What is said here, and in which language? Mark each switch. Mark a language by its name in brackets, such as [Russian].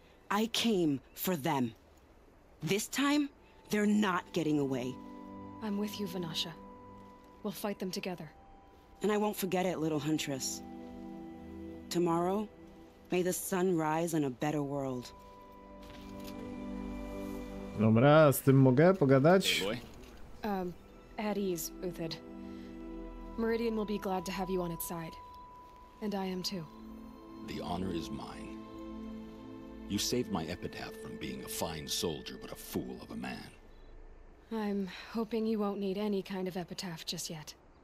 [English] I came for them. This time, they're not getting away. I'm with you, Vanasha. We'll fight them together. And I won't forget it, little Huntress. Tomorrow, may the sun rise in a better world. [Polish] Dobra, z tym mogę pogadać? [English] At ease, Uthid. Meridian will be glad to have you on its side. And I am too. The honor is mine. You saved my epitaph from being a fine soldier, but a fool of a man. I'm hoping you won't need any kind of epitaph just yet.